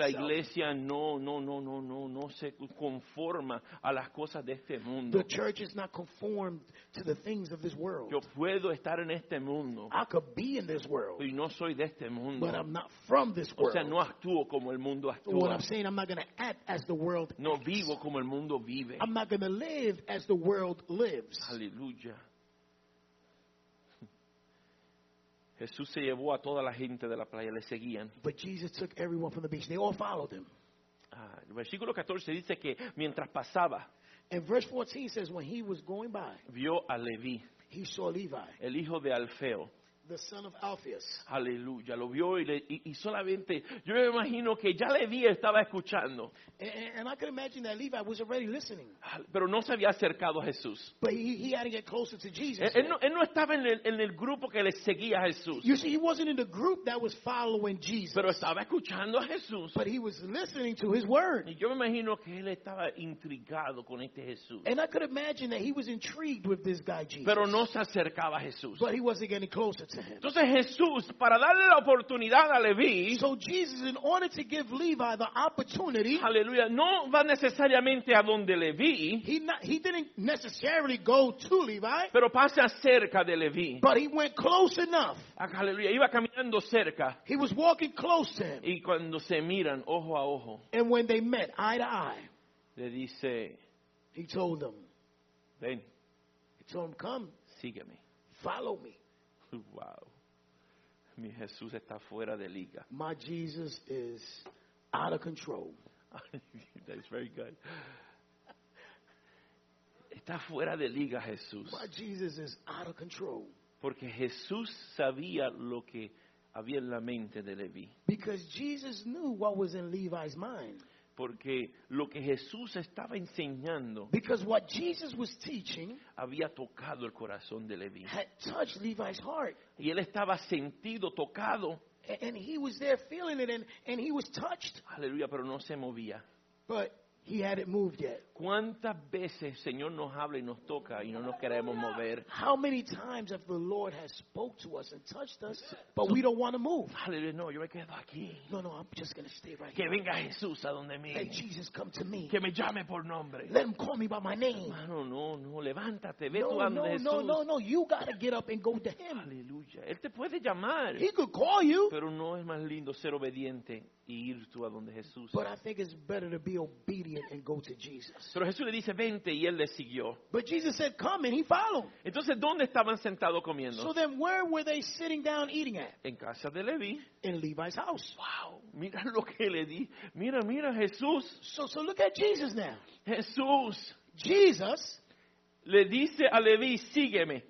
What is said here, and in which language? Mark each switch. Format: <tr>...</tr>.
<es>La iglesia no se conforma a las cosas de este mundo.</es> <en>The church is not conformed to the things of this world.</en> <es>Yo puedo estar en este mundo.</es> <en>I could be in this world,</en> <es>y no soy de este mundo.</es> <en>But I'm not from this world.</en> <es>O sea, no actúo como el mundo actúa.</es> <en>What I'm saying, I'm not going to act as the world</en> <es>no</es> <en>acts.</en> <es>Vivo como el mundo vive.</es> <en>I'm not going to live as the world lives.</en> <es>Aleluya. Jesús se llevó a toda la gente de la playa, le seguían.</es> <en>But Jesus took everyone from the beach. They all followed him.</en> <es>El versículo 14 dice que mientras pasaba,</es> <en>and verse 14 says when he was going by,</en> <es>vio a Leví.</es> <en>He saw Levi,</en> <es>el hijo de Alfeo,</es> <en>the son of Alphaeus.</en> <es>Aleluya, lo vio y solamente, yo me imagino que ya Levi estaba escuchando.</es> <en>And I could imagine that Levi was already listening.</en> <es>Pero no se había acercado a Jesús.</es> <en>But he had to get closer to Jesus.</en> <es>Él no estaba en el grupo que le seguía a Jesús.</es> <en>You see, he wasn't in the group that was following Jesus.</en> <es>Pero estaba escuchando a Jesús.</es> <en>But he was listening to his word.</en> <es>Y yo me imagino que él estaba intrigado con este Jesús.</es> <en>And I could imagine that he was intrigued with this guy Jesus.</en> <es>Pero no se acercaba a Jesús.</es> <en>But he wasn't getting closer.</en> <es>Entonces Jesús, para darle la oportunidad a Leví,</es> <en>so Jesus, in order to give Levi the opportunity,</en> <es>aleluya, no va necesariamente a donde Leví,</es> <en>he didn't necessarily go to Levi,</en> <es>pero pasa cerca de Leví,</es> <en>but he went close enough,</en> <es>aleluya, iba caminando cerca,</es> <en>he was walking close to him,</en> <es>y cuando se miran ojo a ojo,</es> <en>and when they met eye to eye,</en> <es>le dice,</es> <en>he told them,</en> <es>ven,</es> <en>he told him, come,</en> <es>sígueme,</es> <en>follow me.</en> <es>Wow, mi Jesús está fuera de liga.</es> <en>My Jesus is out of control. That's very good.</en> <es>Está fuera de liga Jesús.</es> <en>My Jesus is out of control.</en> <es>Porque Jesús sabía lo que había en la mente de Leví.</es> <en>Because Jesus knew what was in Levi's mind.</en> <es>Porque lo que Jesús estaba enseñando,</es> <en>because what Jesus was teaching,</en> <es>había tocado el corazón de Leví.</es> <en>Had touched Levi's heart.</en> <es>Y él estaba sentido, tocado.</es> <en>And he was there feeling it and he was touched.</en> <es>Aleluya, pero no se movía.</es> <en>But he hadn't moved yet.</en> <es>¿Cuántas veces el Señor nos habla y nos toca y no nos queremos mover?</es> <en>How many times have the Lord has spoke to us and touched us, but we don't want to move?</en> <es>Hallelujah, no, yo me quedo aquí.</es> <en>No, I'm just going to stay right</en> <es>que</es> <en>here.</en> <es>Que venga Jesús a donde mí.</es> <en>Let Jesus come to me.</en> <es>Que me llame por nombre.</es> <en>Let him call me by my name.</en> <es>Hermano, no, levántate, ve tú a donde Jesús.</es> <en>No, you got to get up and go to him.</en> <es>Hallelujah, Él te puede llamar.</es> <en>He could call you.</en> <es>Pero no es más lindo ser obediente y ir tú a donde Jesús.</es> <en>But I think it's better to be obedient and go to Jesus.</en> <es>Pero Jesús le dice, vente, y él le siguió.</es> <en>But Jesus said, come, and he followed.</en> <es>Entonces, ¿dónde estaban sentados comiendo?</es> <en>So then, where were they sitting down eating at?</en> <es>En casa de Leví.</es> <en>In Levi's house.</en> <es>Wow, mira lo que le di. Mira, Jesús.</es> <en>So look at Jesus now.</en> <es>Jesús.</es> <en>Jesus.</en> <es>Le dice a Leví, sígueme.</es>